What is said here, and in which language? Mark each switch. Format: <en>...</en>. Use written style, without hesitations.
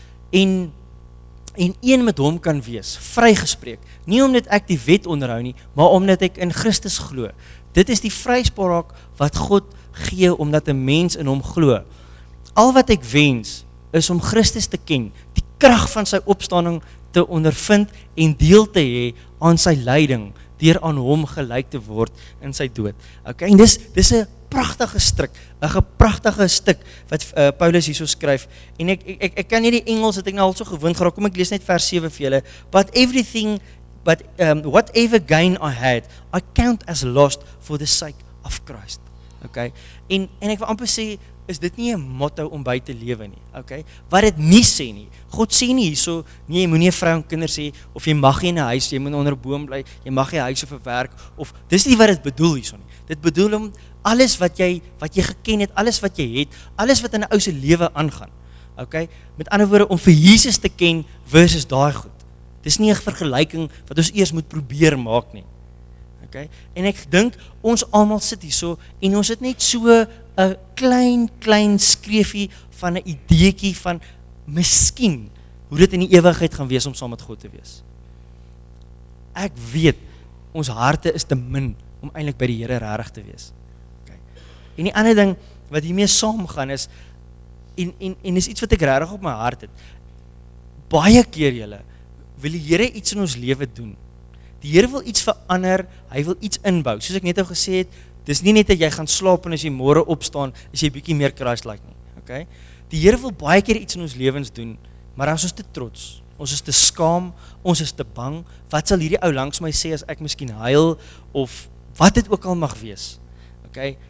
<af>En een met hom kan wees, vrygespreek, nie omdat ek die wet onderhou nie, maar omdat ek in Christus glo. Dit is die vryspraak wat God gee omdat 'n mens in hom glo. Al wat ek wens is om Christus te ken, die krag van sy opstanding te ondervind en deel te hê aan sy lyding, deur aan hom gelyk te word in sy dood. Okay, en dis 'n pragtige stuk, 'n gepragtige stuk wat Paulus hierso skryf. En ek kan nie die Engels, het ek nou al so gewoond geraak, kom ek lees net vers 7 vir julle.</af> <en>Whatever gain I had, I count as lost for the sake of Christ. Okay?</en> <af>En ek wil amper sê, is dit nie 'n motto om by te lewe nie. Okay? Wat dit nie sê nie. God sê nie hierso nie jy moenie 'n vrou en kinders hê of jy mag nie 'n huis, jy moet onder 'n boom bly, jy mag nie huis of 'n werk of dis nie wat dit bedoel hierso nie. Dit bedoel om alles wat jy geken het, alles wat jy het, alles wat in 'n ou se lewe aangaan. Okay? Met ander woorde om vir Jesus te ken versus daai goed. Dis nie 'n vergelyking wat ons eers moet probeer maak nie. Okay? En ek dink ons almal sit hierso en ons het net so 'n klein skreefie van 'n ideetjie van miskien hoe dit in die ewigheid gaan wees om saam met God te wees. Ek weet ons harte is te min om eintlik by die Here regtig te wees. Okay. En die ander ding wat hiermee saamgaan is en is iets wat ek regtig op my hart het. Baie keer julle wil die Here iets in ons lewe doen. Die Here wil iets verander, hy wil iets inbou. Soos ek net al gesê het, dis nie net dat jy gaan slaap en as jy môre opstaan, is jy bietjie meer Christ-like nie. Okay? Die Here wil baie keer iets in ons lewens doen, maar ons is te trots. Ons is te skaam, ons is te bang. Wat sal hierdie ou langs my sê as ek miskien huil of wat dit ook al mag wees? Okay?</af>